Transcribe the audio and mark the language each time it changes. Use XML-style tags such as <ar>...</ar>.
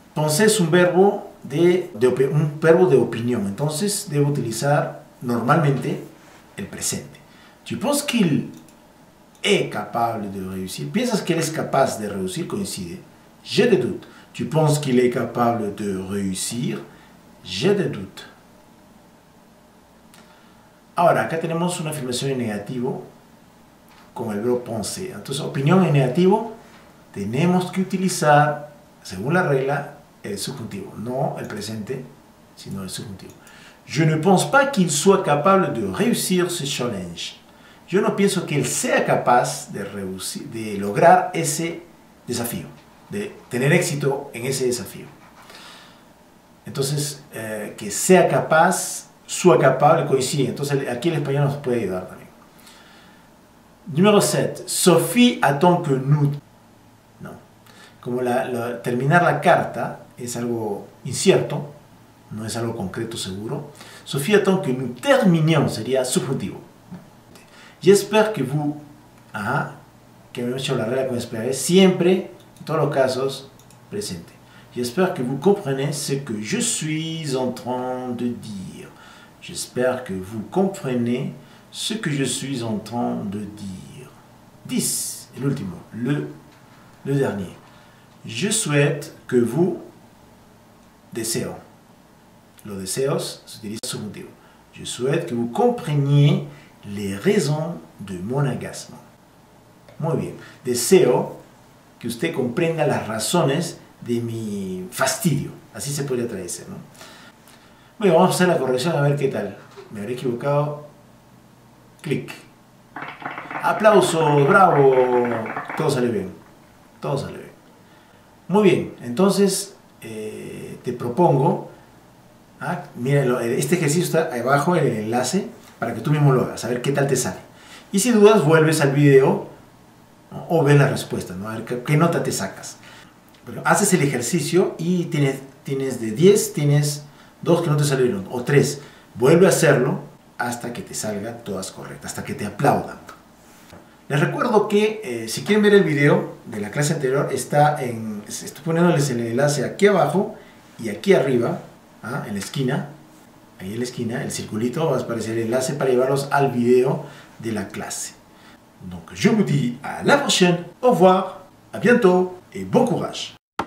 <es>Entonces, un verbo de opinión. Entonces, debo utilizar normalmente el presente.</es> <fr>Tu penses qu'il est capable de réussir.</fr> <es>¿Piensas que él es capaz de reducir? Coincide.</es> <fr>J'ai des doutes. Tu penses qu'il est capable de réussir. J'ai des doutes.</fr> <es>Ahora, acá tenemos una afirmación en negativo con el verbo penser. Entonces, opinión en negativo, tenemos que utilizar, según la regla, el subjuntivo. No el presente, sino el subjuntivo.</es> <fr>Je ne pense pas qu'il soit capable de réussir ce challenge.</fr> <es>Yo no pienso que él sea capaz de lograr ese desafío, de tener éxito en ese desafío. Entonces, que sea capaz, soit capable, coincide. Entonces, aquí el español nos puede ayudar también. Número 7.</es> <fr>Sophie attend que nous.</fr> <es>No. Como terminar la carta es algo incierto, no es algo concreto, seguro.</es> <fr>Sophie attend que nous terminions</fr> <es>sería subjuntivo.</es> <fr>J'espère que vous. Ajá.</fr> <es>Que me he hecho la regla con esperar. Siempre, en todos los casos, presente.</es> <fr>J'espère que vous comprenez ce que je suis en train de dire. J'espère que vous comprenez ce que je suis en train de dire. 10. Et l'ultimo. Le dernier. Je souhaite que vous.</fr> <es>Deseo. Lo deseos se utilise en subjuntivo.</es> <fr>Je souhaite que vous compreniez les raisons de mon agacement.</fr> <es>Muy bien. Deseo que usted comprenda las razones de mi fastidio. Así se podría traducir, ¿no? Bueno, vamos a hacer la corrección a ver qué tal. Me habré equivocado. Clic. Aplauso, bravo. Todo sale bien. Todo sale bien. Muy bien, entonces te propongo. Mira, este ejercicio está ahí abajo en el enlace para que tú mismo lo hagas, a ver qué tal te sale. Y si dudas, vuelves al video, ¿no? O ve la respuesta, ¿no? A ver qué nota te sacas. Pero haces el ejercicio y tienes de 10, tienes 2 que no te salieron, o 3. Vuelve a hacerlo hasta que te salgan todas correctas, hasta que te aplaudan. Les recuerdo que si quieren ver el video de la clase anterior, estoy poniéndoles el enlace aquí abajo y aquí arriba, en la esquina. Ahí en la esquina, el circulito, va a aparecer el enlace para llevarlos al video de la clase.</es> <fr>Donc, je vous dis à la prochaine, au revoir, à bientôt. Et bon courage.</fr>